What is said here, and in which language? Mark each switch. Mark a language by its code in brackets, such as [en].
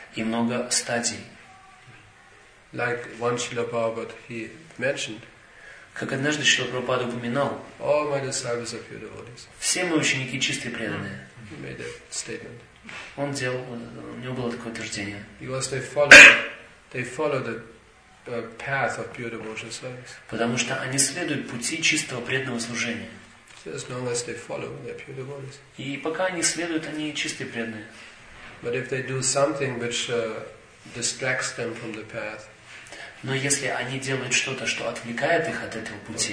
[ru] И много стадий. [en] Like one Srila Prabhupada, he mentioned. [ru] Как однажды Шрила Прабхупада упоминал, [en] all my disciples are pure devotees. [ru] Все мои ученики чистые преданные. [en] He made that statement. [ru] Он делал, у него было такое утверждение. [en] Because they follow the path of pure devotional service. [ru] Потому что они следуют пути чистого преданного служения. [en] So as long as they follow, they're pure devotees. [ru] И пока они следуют, они чистые преданные. [en] But if they do something which distracts them from the path. [ru] Но если они делают что-то, что отвлекает их от этого пути,